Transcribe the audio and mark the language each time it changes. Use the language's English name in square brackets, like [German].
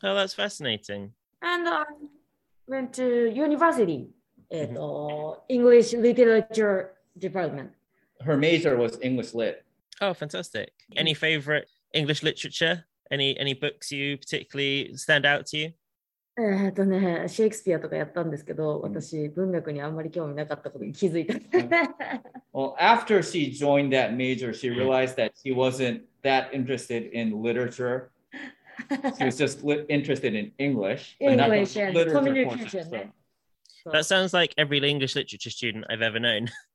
[English] Oh, that's fascinating. And I went to university. English literature department. Her major was English lit. Oh, fantastic. Any favorite English literature? Any books you particularly stand out to you? [Japanese] シェイクスピアとかやったんですけど、私文学にあんまり興味なかったことに気づいた。 [English] Well, after she joined that major, she realized that she wasn't that interested in literature. She was just interested in English. English, yeah. Communication. That sounds like every English literature student I've ever known.